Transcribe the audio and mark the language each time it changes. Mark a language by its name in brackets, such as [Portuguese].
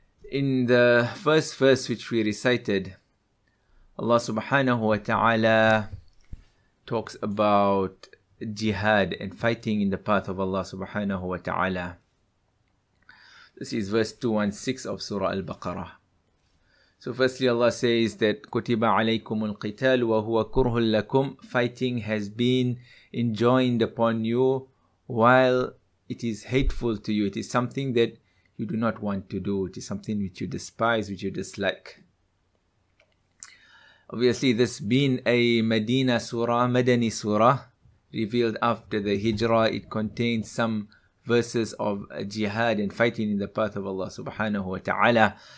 [English] In the first verse which we recited, Allah subhanahu wa ta'ala talks about jihad and fighting in the path of Allah subhanahu wa ta'ala. This is verse 216 of Surah Al-Baqarah. So firstly, Allah says that [Arabic] كُتِبَ عَلَيْكُمُ الْقِتَالُ وَهُوَ كُرْهٌ لَكُمْ. [English] Fighting has been enjoined upon you while it is hateful to you. It is something that you do not want to do. It is something which you despise, which you dislike. Obviously, this being a Medina surah, Madani surah, revealed after the Hijrah, it contains some verses of jihad and fighting in the path of Allah subhanahu wa ta'ala.